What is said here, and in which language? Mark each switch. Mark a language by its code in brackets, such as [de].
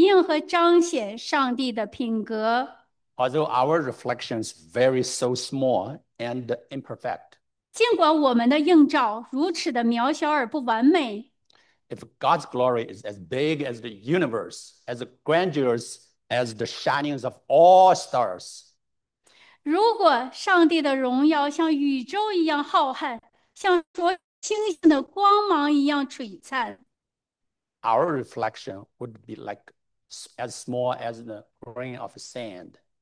[zh] 上帝呼召我们成为世界的光，反映和彰显上帝的品格。 [en] Although our reflections vary so small and imperfect, [zh] 尽管我们的映照如此的渺小而不完美, [en] if God's glory is as big as the universe, as grandiose as the shinings of all stars, [zh] 如果上帝的荣耀像宇宙一样浩瀚，像说星星的光芒一样璀璨。 [en] our reflection would be like as small as the grain of sand.